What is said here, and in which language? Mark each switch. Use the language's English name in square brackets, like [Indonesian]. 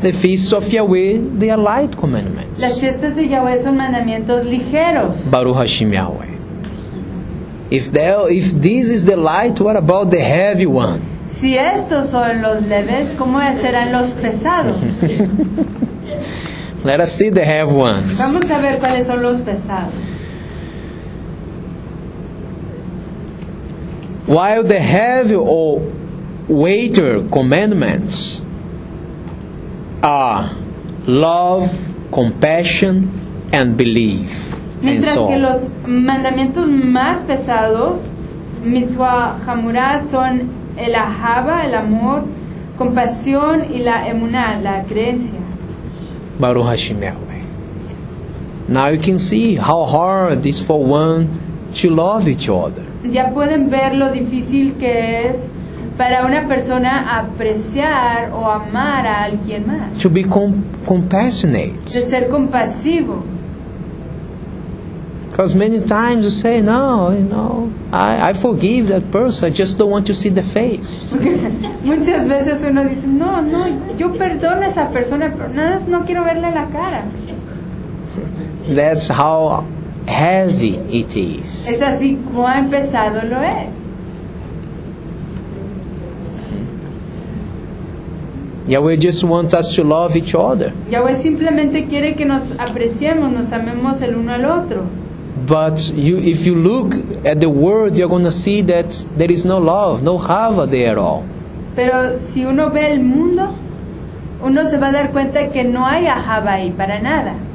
[English] The feasts of Yahweh, they are light commandments. [Spanish] Las fiestas de Yahweh son mandamientos ligeros. [Hebrew] Baruch Hashem Yahweh. [English] If this is the light, what about the heavy one? [Spanish] Si estos son los leves, ¿cómo serán los pesados? [English] Let us see the heavy ones. [Spanish] Vamos a ver cuáles son los pesados. [English] While the heavy or weightier commandments are love, compassion, and belief. [Spanish] Mientras que los mandamientos más pesados, mitzvah hamurah, son el ahava, el amor, compasión y la emuná, la creencia. [Hebrew] Baruch Hashem. [English] Now you can see how hard it is for one to love each other. [Spanish] Ya pueden ver lo difícil que es para una persona apreciar o amar a alguien más. [English] To be compassionate. [Spanish] De ser compasivo. [English] Because many times you say, no, you know, I forgive that person, I just don't want to see the face. [Spanish] Muchas veces uno dice, no, no, yo perdono a esa persona, pero nada más no quiero verle la cara. [English] That's how heavy it is. [Spanish] Es así cuán pesado lo es. [English] Yahweh just wants us to love each other. [Spanish] Yahweh simplemente quiere que nos apreciemos, nos amemos el uno al otro. [English] But you, if you look at the world, you're going to see that there is no love, no hava there at all. [Spanish] Pero si uno ve el mundo, uno se va a dar cuenta que no hay hava ahí para nada.